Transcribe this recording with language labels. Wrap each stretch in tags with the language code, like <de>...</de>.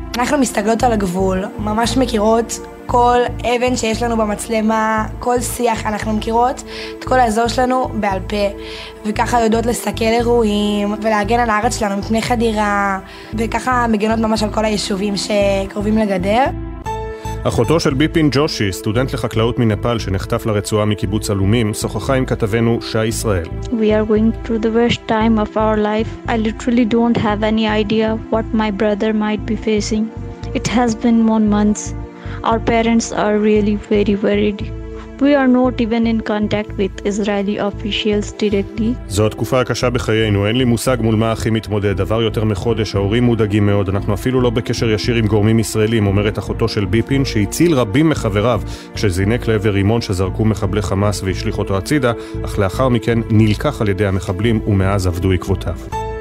<he>אנחנו מסתגלות על הגבול, ממש מכירות כל אבן שיש לנו במצלמה, כל שיח אנחנו מכירות, את כל האזור שלנו בעל פה. וככה יודעות לסכל אירועים ולהגן על הארץ שלנו מפני חדירה, וככה מגנות ממש על כל היישובים שקרובים לגדר. אחותו של ביפין ג'ושי, סטודנט לחקלאות מנפל שנחטף לרצועה מקיבוץ אלומים, שוחחה עם כתבנו שי ישראל.</he> <en>We are going through the worst time of our life. I literally don't have any idea what my brother might be facing. It has been 1 month. Our parents are really very worried. We are not even in contact with Israeli officials directly.</en> <he>זו התקופה הקשה בחיינו, אין לי מושג מול מה הכי מתמודד. דבר יותר מחודש, ההורים מודאגים מאוד. אנחנו אפילו לא בקשר ישיר עם גורמים ישראלים, אומרת אחותו של ביפין, שהציל רבים מחבריו כשזינק לעבר רימון שזרקו מחבלי חמאס והשליך אותו הצידה, אך לאחר מכן נלקח על ידי המחבלים ומאז עבדו עקבותיו.</he>